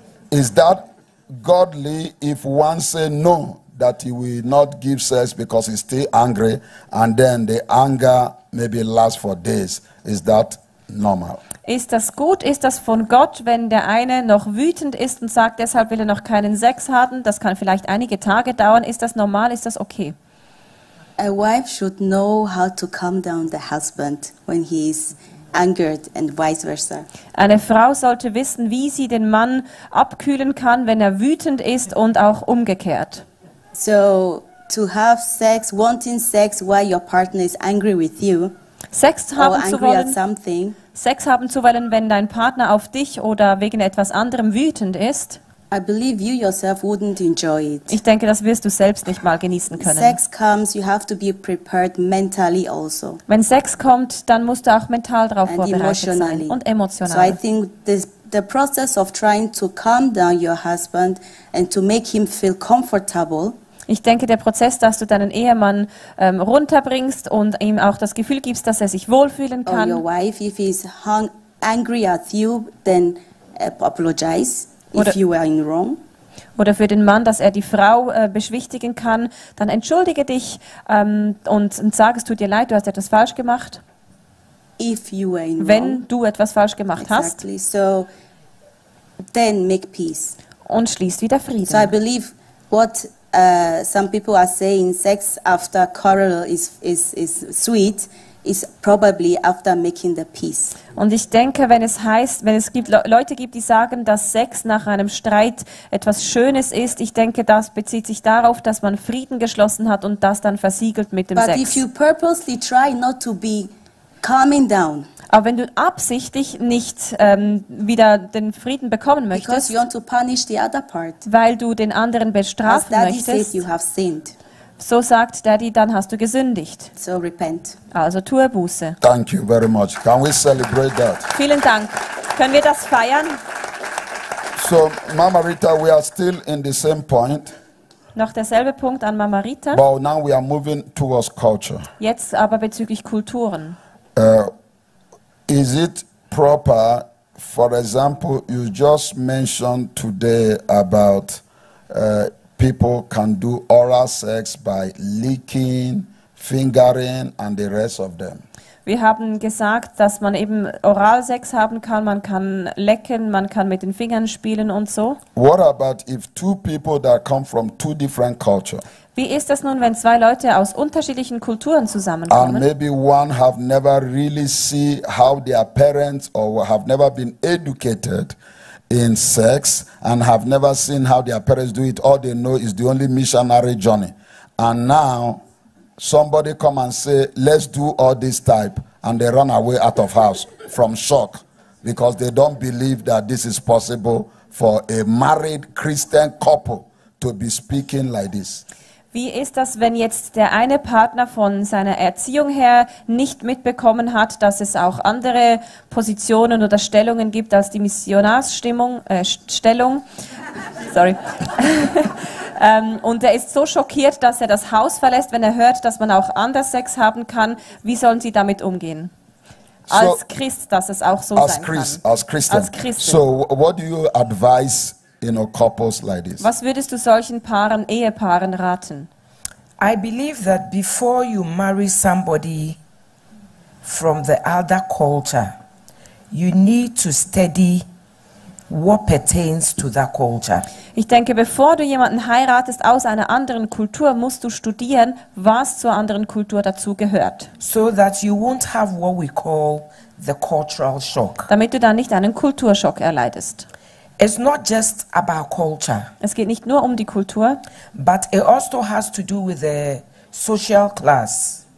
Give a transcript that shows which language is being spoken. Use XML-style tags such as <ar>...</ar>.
<en>Is that godly if one say no, that he will not give sex because he's still angry, and then the anger maybe lasts for days? Is that normal?</en> <de>Ist das gut? Ist das von Gott, wenn der eine noch wütend ist und sagt, deshalb will er noch keinen Sex haben? Das kann vielleicht einige Tage dauern. Ist das normal? Ist das okay?</de> <en>A wife should know how to calm down the husband when he is angered, and vice versa.</en> <de>Eine Frau sollte wissen, wie sie den Mann abkühlen kann, wenn er wütend ist, und auch umgekehrt.</de> <en>So, to have sex, wanting sex while your partner is angry with you,</en> <de>Sex haben</de> <en>angry</en> <de>zu wollen,</de> <en>at something,</en> <de>Sex haben zu wollen, wenn dein Partner auf dich oder wegen etwas anderem wütend ist,</de> <en>I believe you yourself wouldn't enjoy it.</en> <de>Ich denke, das wirst du selbst nicht mal genießen können.</de> <en>Sex comes, you have to be prepared mentally also.</en> <de>Wenn Sex kommt, dann musst du auch mental darauf vorbereitet sein und emotional.</de> <en>So I think this, the process of trying to calm down your husband and to make him feel comfortable.</en> <de>Ich denke, der Prozess, dass du deinen Ehemann runterbringst und ihm auch das Gefühl gibst, dass er sich wohlfühlen kann.</de> <en>Or your wife, if he's angry at you, then apologize. if you were in wrong.</en> <de>Oder für den Mann, dass er die Frau beschwichtigen kann, dann entschuldige dich und sag, es tut dir leid, du hast etwas falsch gemacht.</de> <en>If you were in</en> <de>wenn</de> <en>wrong.</en> <de>Du etwas falsch gemacht</de> <en>exactly.</en> <de>hast.</de> <en>So, then make peace.</en> <de>Und schließt wieder Frieden.</de> <en>So I believe what some people are saying, sex after quarrel is sweet, is probably after making the peace.</en> <de>Und ich denke, wenn es heißt, wenn es gibt Leute gibt, die sagen, dass Sex nach einem Streit etwas Schönes ist, ich denke, das bezieht sich darauf, dass man Frieden geschlossen hat und das dann versiegelt mit dem</de> <en>But</en> <de>Sex.</de> <en>But if you purposely try not to be calming down.</en> <de>Aber wenn du absichtlich nicht wieder den Frieden bekommen möchtest,</de> <en>Because you want to punish the other part.</en> <de>Weil du den anderen bestrafen</de> <en>As Daddy</en> <de>möchtest,</de> <en>says you have sinned.</en> <de>So sagt Daddy, dann hast du gesündigt.</de> <en>So repent.</en> <de>Also tue Buße.</de> <en>Thank you very much. Can we celebrate that?</en> <de>Vielen Dank. Können wir das feiern?</de> <en>So, Mama Rita, we are still in the same point.</en> <de>Noch derselbe Punkt an Mama Rita.</de> <en>But now we are moving towards culture.</en> <de>Jetzt aber bezüglich Kulturen.</de> <en>Is it proper, for example, you just mentioned today about people can do oral sex by licking, fingering and the rest of them.</en> <de>Wir haben gesagt, dass man eben Oralsex haben kann, man kann lecken, man kann mit den Fingern spielen und so.</de> <en>What about if two people that come from two different cultures?</en> <de>Wie ist das nun, wenn zwei Leute aus unterschiedlichen Kulturen zusammenkommen?</de> <en>And maybe one have never really seen how their parents or have never been educated in sex and have never seen how their parents do it. All they know is the only missionary journey. And now somebody come and say, let's do all this type, and they run away out of house from shock because they don't believe that this is possible for a married Christian couple to be speaking like this.</en> <de>Wie ist das, wenn jetzt der eine Partner von seiner Erziehung her nicht mitbekommen hat, dass es auch andere Positionen oder Stellungen gibt als die Missionarsstimmung, Stellung, sorry, und er ist so schockiert, dass er das Haus verlässt, wenn er hört, dass man auch anders Sex haben kann, wie sollen sie damit umgehen? Als Christ, dass es auch so sein Christ, kann.</de> <en>As Christian.</en> <de>Als Christin.</de> <en>So, what do you advise? You know, couples like this.</en> <de>Was würdest du solchen Paaren, Ehepaaren raten?</de> <en>I believe that before you marry somebody from the other culture, you need to study what pertains to that culture.</en> <de>Ich denke, bevor du jemanden heiratest aus einer anderen Kultur, musst du studieren, was zur anderen Kultur dazu gehört.</de> <en>So that you won't have what we call the cultural shock.</en> <de>Damit du dann nicht einen Kulturschock erleidest.</de> <en>It's not just about culture.</en> <de>Es geht nicht nur um die Kultur.</de> <en>But it also has to do with the social class.</en>